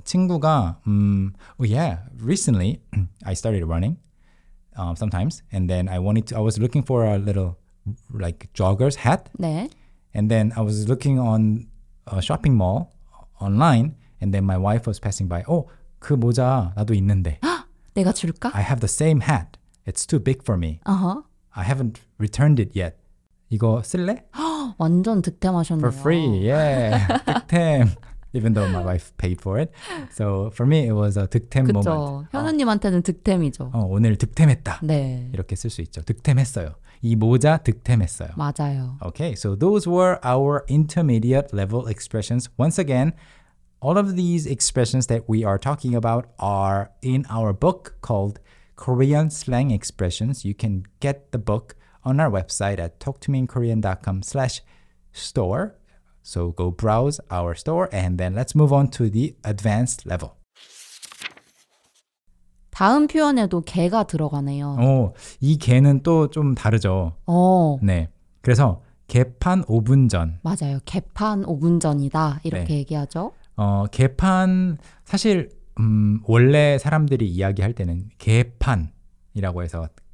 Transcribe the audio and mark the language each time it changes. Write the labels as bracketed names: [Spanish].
[English] 친구가 oh yeah, recently I started running sometimes, and then I was looking for a little like jogger's hat. [Korean] 네. [English] And then I was looking on a shopping mall online, and then my wife was passing by. [Korean] Oh, 그 모자 나도 있는데. 내가 줄까? [English] I have the same hat. It's too big for me. Uh-huh. I haven't returned it yet. [Korean] 이거 쓸래? 완전 득템하셨네요. [English] For free, yeah. 득템. Even though my wife paid for it. So for me, it was a 득템 [Korean] 그쵸. [English] moment. [Korean] 현우님한테는 득템이죠. 오늘 득템했다. 네. 이렇게 쓸 수 있죠. 득템했어요. 이 모자 득템했어요. 맞아요. [English] Okay, so those were our intermediate level expressions. Once again, all of these expressions that we are talking about are in our book called Korean Slang Expressions. You can get the book on our website at talktomeinkorean.com/store. So go browse our store and then let's move on to the advanced level. [Korean] 다음 표현에도 개가 들어가네요. 이 개는 또 좀 다르죠. 네, 그래서 개판 5분 전. 맞아요. 개판 5분 전이다. 이렇게 네. 얘기하죠. 개판, 사실 원래 사람들이 이야기할 때는 개판이라고 해서